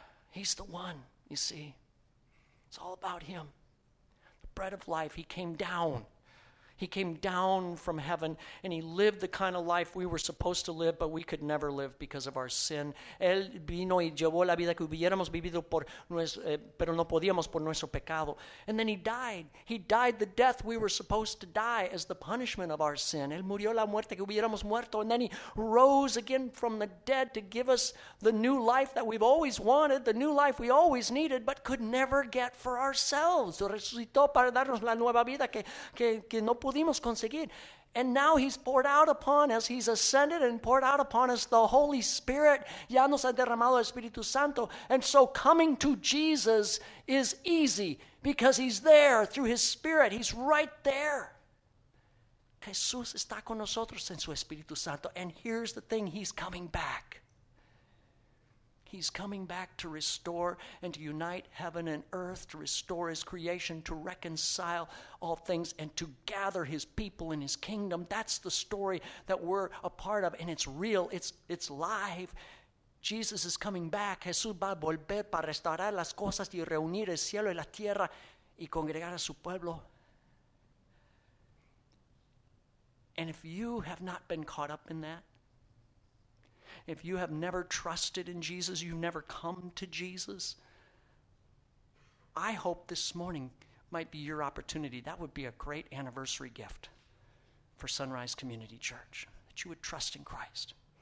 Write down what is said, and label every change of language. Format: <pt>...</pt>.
<en>He's the one, you see. It's all about him. The bread of life, he came down. He came down from heaven and he lived the kind of life we were supposed to live, but we could never live because of our sin.</en> <es>Él vino y llevó la vida que hubiéramos vivido por nuestro, pero no podíamos por nuestro pecado.</es> <en>And then he died. He died the death we were supposed to die as the punishment of our sin.</en> <es>Él murió la muerte que hubiéramos muerto.</es> <en>And then he rose again from the dead to give us the new life that we've always wanted, the new life we always needed, but could never get for ourselves.</en> <es>Resucitó para darnos la nueva vida que no pudimos conseguir.</es> <en>And now he's poured out upon us, he's ascended and poured out upon us the Holy Spirit.</en> <es>Ya nos ha derramado el Espíritu Santo.</es> <en>And so coming to Jesus is easy because he's there through his Spirit. He's right there.</en> <es>Jesús está con nosotros en su Espíritu Santo.</es> <en>And here's the thing, he's coming back. He's coming back to restore and to unite heaven and earth, to restore his creation, to reconcile all things, and to gather his people in his kingdom. That's the story that we're a part of, and it's real. It's live. Jesus is coming back.</en> <es>Jesús va a volver para restaurar las cosas y reunir el cielo y la tierra y congregar a su pueblo.</es> <en>And if you have not been caught up in that, if you have never trusted in Jesus, you've never come to Jesus, I hope this morning might be your opportunity. That would be a great anniversary gift for Sunrise Community Church, that you would trust in Christ.</en>